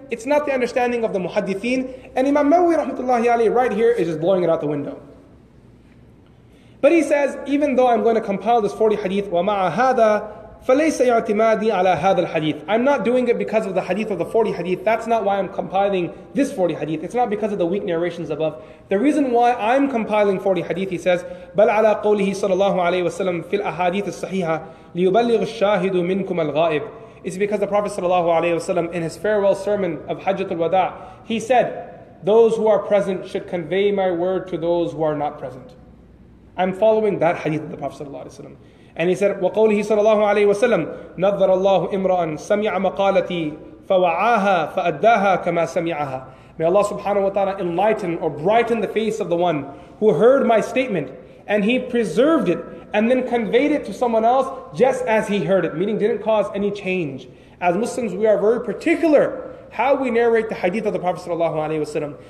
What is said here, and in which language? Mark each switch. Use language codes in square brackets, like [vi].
[en] It's not the understanding of the muhaddithin. And Imam Nawawi rahmatullahi alayhi right here is just blowing it out the window. But he says, even though I'm going to compile this 40 hadith, [ar] وَمَعَ هَذَا فَلَيْسَ يَعْتِمَادِي عَلَى هَذَا الْحَدِيثِ, [en] I'm not doing it because of the hadith of the 40 hadith. That's not why I'm compiling this 40 hadith. It's not because of the weak narrations above. The reason why I'm compiling 40 hadith, he says, [ar] بَلْ عَلَى قَوْلِهِ صَلَى اللَّهُ عَلَيْهِ وَسَلَمْ فِي الْأَحَادِيثِ الصَّحِيحَةِ لِيُبَلِّغُ الشَّاهِدُ مِنْكُمَ الْغَائِبِ. [en] It's because the Prophet sallallahu alayhi wasallam, in his farewell sermon of Hajjatul Wada, he said, those who are present should convey my word to those who are not present. I'm following that hadith of the Prophet sallallahu alaihi wasallam, and he said, [ar] "وَقَوْلِهِ صَلَّى اللَّهُ عَلَيْهِ وَسَلَّمَ نَظَرَ اللَّهُ إِمْرَأً سَمِعَ مَقَالَتِي فَوَعَاهَا فَأَدَّاهَا كَمَا سَمِعَهَا." [en] May Allah subhanahu wa taala enlighten or brighten the face of the one who heard my statement, and he preserved it and then conveyed it to someone else just as he heard it, meaning didn't cause any change. As Muslims, we are very particular how we narrate the hadith of the Prophet sallallahu alaihi wasallam.